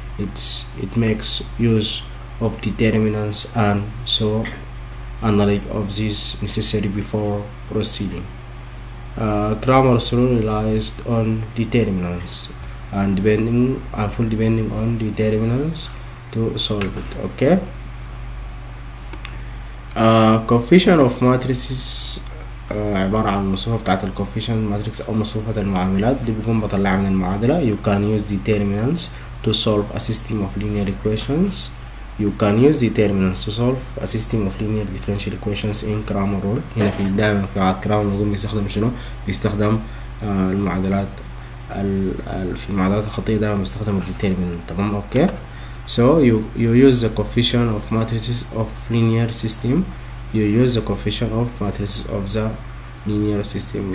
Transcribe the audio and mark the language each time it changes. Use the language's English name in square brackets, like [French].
[English] It makes use of determinants and so knowledge of these necessary before proceeding. Cramer's rule relies on determinants and depending and full depending on the determinants to solve it. Okay. Coefficient of matrices [Arabic] عبارة عن المصفوفة بتاعت ال coefficient matrix أو مصفوفة المعاملات دي بكون بطلعها من المعادلة. [English] You can use determinants to solve a system of linear equations. You can use determinants to solve a system of linear differential equations in Cramer rule. [Arabic] هنا في دائما في عاد كرامر بيقوم بيستخدم شنو؟ بيستخدم المعادلات في المعادلات الخطية دائما بيستخدم الديتيرمينال. تمام اوكي. [English] So you use the coefficient of matrices of linear system. You use the coefficient of matrices of the linear system.